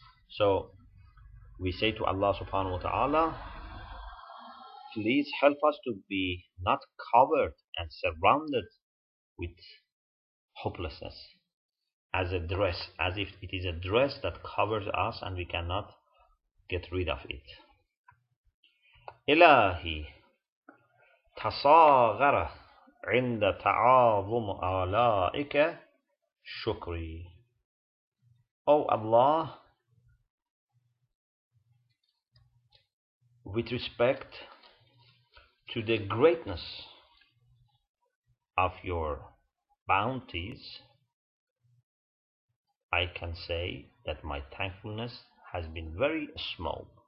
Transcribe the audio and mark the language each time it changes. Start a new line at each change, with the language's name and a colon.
English: So we say to Allah subhanahu wa ta'ala, please help us to be not covered and surrounded with hopelessness as a dress, as if it is a dress that covers us and we cannot get rid of it.
Arabic: إلهي تصاغر عند تعاظم آلائك شكري.
English: O Allah, with respect to the greatness of your bounties, I can say that my thankfulness has been very small.